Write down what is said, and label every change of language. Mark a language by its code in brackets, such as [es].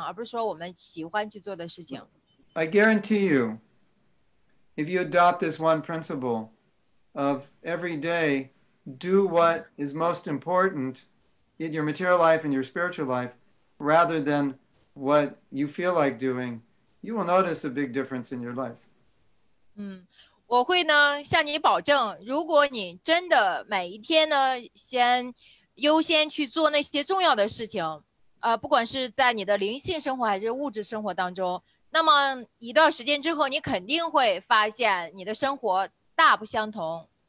[zh] 非常实际的一点就是说，在现实当生活当中呢，我们也是应当首先去做那些对我们来说重要的事情，而不是说我们喜欢去做的事情。 [en] I guarantee you, if you adopt this one principle of every day, do what is most important in your material life and your spiritual life, rather than what you feel like doing, you will notice a big difference in your life. [zh] 我会呢，向你保证，如果你真的每一天呢，先优先去做那些重要的事情，不管是在你的灵性生活还是物质生活当中。那么一段时间之后，你肯定会发现你的生活大不相同。